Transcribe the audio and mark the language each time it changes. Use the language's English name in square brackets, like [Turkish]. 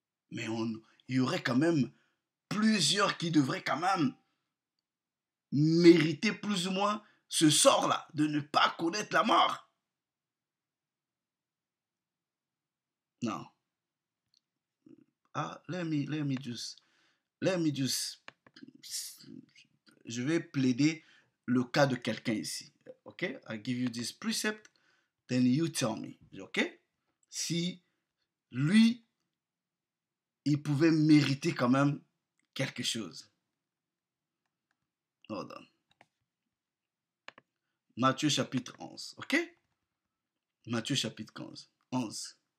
[French] Mais il y aurait quand même plusieurs qui devraient quand même mériter plus ou moins ce sort-là, de ne pas connaître la mort. Non. Ah, [English] let me just, [French] je vais plaider le cas de quelqu'un ici, ok? [English] I give you this precept, then you tell me, ok? [French] Si lui, il pouvait mériter quand même quelque chose. [English] Hold on. [French] Matthieu chapitre 11, ok? Matthieu chapitre 11.